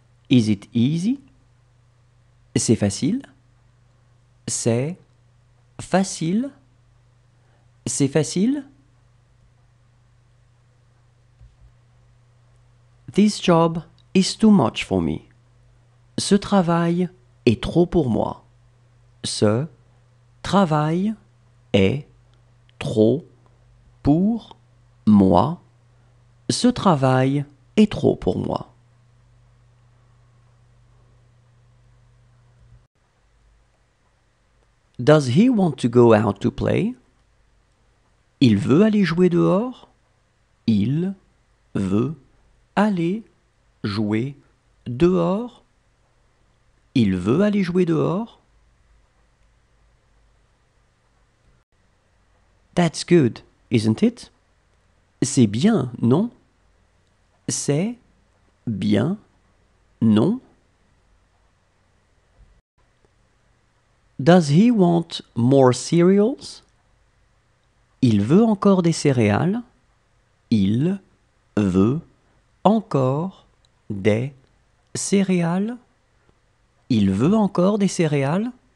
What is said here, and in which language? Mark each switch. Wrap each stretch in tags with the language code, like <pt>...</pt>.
<en>Is it easy?</en> <fr>C'est facile. C'est facile. C'est facile.</fr> <en>This job is too much for me.</en> <fr>Ce travail est trop pour moi. Ce travail est trop pour moi. Ce travail est trop pour moi.</fr> <en>Does he want to go out to play?</en> <fr>Il veut aller jouer dehors? Il veut aller jouer dehors? Il veut aller jouer dehors?</fr> <en>That's good, isn't it?</en> <fr>C'est bien, non? C'est bien, non?</fr> <en>Does he want more cereals?</en> <fr>Il veut encore des céréales. Il veut encore des céréales. Il veut encore des céréales.</fr>